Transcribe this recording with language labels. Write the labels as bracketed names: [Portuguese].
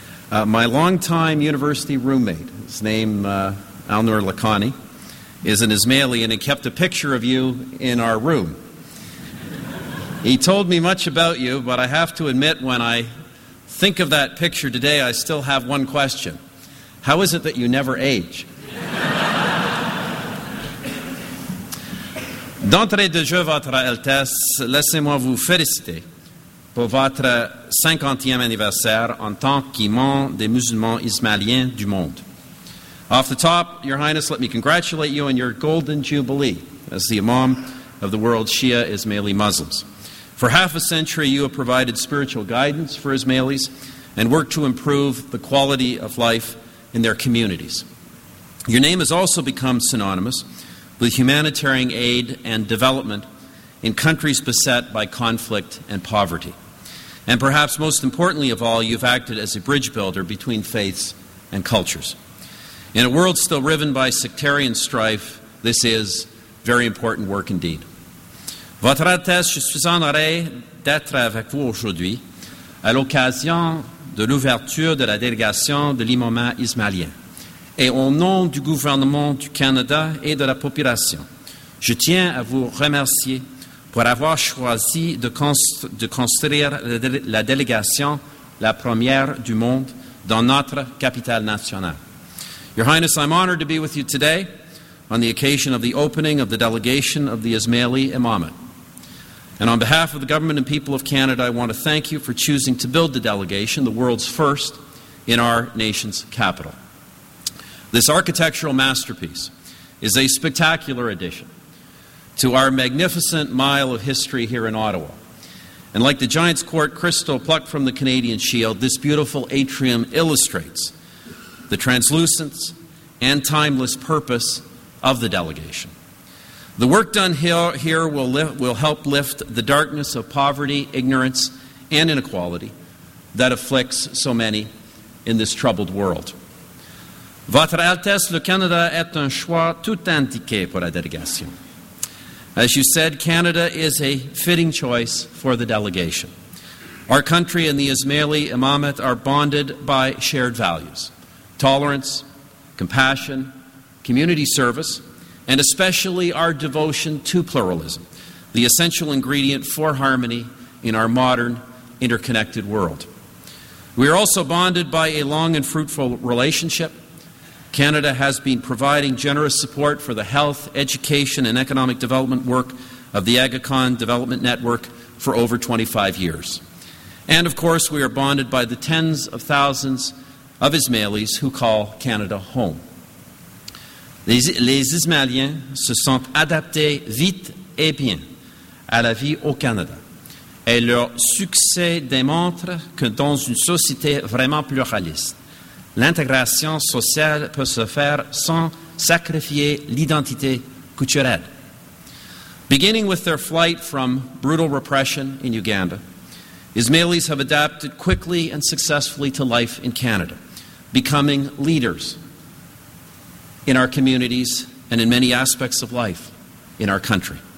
[English] My longtime university roommate, his name Alnur Lakhani, is an Ismaili and he kept a picture of you in our room. He told me much about you, but I have to admit when I think of that picture today, I still have one question. How is it that you never age? [French] D'entrée de jeu, Votre Altesse, laissez-moi vous féliciter pour votre 50e anniversaire en tant qu'imam des musulmans ismaéliens du monde. [English] Off the top, Your Highness, let me congratulate you on your golden jubilee as the imam of the world's Shia Ismaili Muslims. For half a century, you have provided spiritual guidance for Ismailis and worked to improve the quality of life in their communities. Your name has also become synonymous with humanitarian aid and development in countries beset by conflict and poverty. And perhaps most importantly of all, you've acted as a bridge builder between faiths and cultures. In a world still riven by sectarian strife, this is very important work indeed. [French] Votre Altesse, je suis honoré d'être avec vous aujourd'hui à l'occasion de l'ouverture de la délégation de l'imamat ismaélien. Et au nom du gouvernement du Canada et de la population, je tiens à vous remercier pour avoir choisi de construire la délégation la première du monde dans notre capitale nationale. [English] Your Highness, I'm honored to be with you today on the occasion of the opening of the delegation of the Ismaili imamat. And on behalf of the government and people of Canada, I want to thank you for choosing to build the delegation, the world's first, in our nation's capital. This architectural masterpiece is a spectacular addition to our magnificent mile of history here in Ottawa. And like the Giant's Court crystal plucked from the Canadian Shield, this beautiful atrium illustrates the translucence and timeless purpose of the delegation. The work done here will help lift the darkness of poverty, ignorance, and inequality that afflicts so many in this troubled world. [French] Votre Altesse, le Canada est un choix tout indiqué pour la délégation. [English] As you said, Canada is a fitting choice for the delegation. Our country and the Ismaili imamat are bonded by shared values: tolerance, compassion, community service, and especially our devotion to pluralism, the essential ingredient for harmony in our modern, interconnected world. We are also bonded by a long and fruitful relationship. Canada has been providing generous support for the health, education, and economic development work of the Aga Khan Development Network for over 25 years. And of course, we are bonded by the tens of thousands of Ismailis who call Canada home. [French] Les Ismaéliens se sont adaptés vite et bien à la vie au Canada. Et leur succès démontre que dans une société vraiment pluraliste, l'intégration sociale peut se faire sans sacrifier l'identité culturelle. [English] Beginning with their flight from brutal repression in Uganda, Ismailis have adapted quickly and successfully to life in Canada, becoming leaders in our communities, and in many aspects of life in our country.